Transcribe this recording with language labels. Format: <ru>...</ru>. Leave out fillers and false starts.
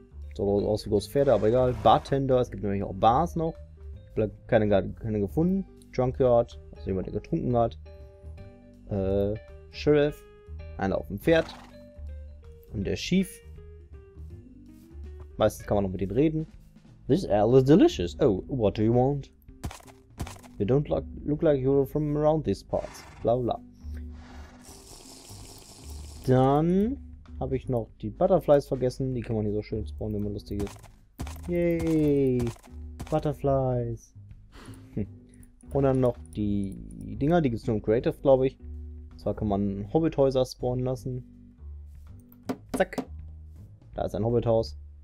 <de>Sieht aus wie große Pferde, aber egal. Bartender, es gibt nämlich auch Bars noch. Ich habe keine gefunden. Drunkard, also jemand, der getrunken hat. Sheriff, einer auf dem Pferd. Und der Chief. Meistens kann man noch mit denen reden.</de> <en>This ale is delicious. Oh, what do you want? You don't look like you're from around these parts. Bla bla.</en> <de>Dann habe ich noch die Butterflies vergessen. Die kann man hier so schön spawnen, wenn man lustig ist. Yay! Butterflies! Und dann noch die Dinger, die gibt es nur im Creative, glaube ich. Und zwar kann man Hobbithäuser spawnen lassen. Zack! Da ist ein Hobbithaus.</de>